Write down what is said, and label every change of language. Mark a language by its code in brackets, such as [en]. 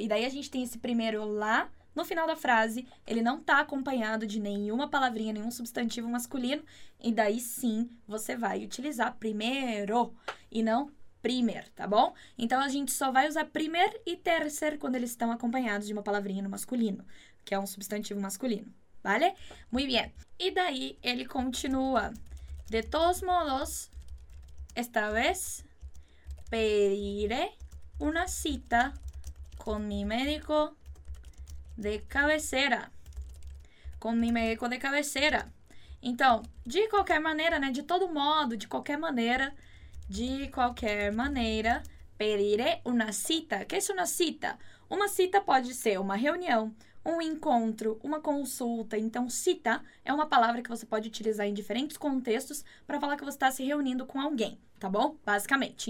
[pt] E daí a gente tem esse primeiro lá no final da frase, ele não está acompanhado de nenhuma palavrinha, nenhum substantivo masculino. E daí sim, você vai utilizar primeiro e não primer, tá bom? Então, a gente só vai usar primer e tercer quando eles estão acompanhados de uma palavrinha no masculino, que é um substantivo masculino. Vale? [es] Muy bien. [pt] E daí, ele continua. [es] De todos modos, esta vez, pediré una cita con mi médico de cabecera. Com mi médico de cabecera. [pt] Então, de qualquer maneira, né? De todo modo, de qualquer maneira, de qualquer maneira, [es] pediré una cita. [pt] O que é una cita? Uma cita pode ser uma reunião, um encontro, uma consulta. Então, cita é uma palavra que você pode utilizar em diferentes contextos para falar que você está se reunindo com alguém, tá bom? Basicamente.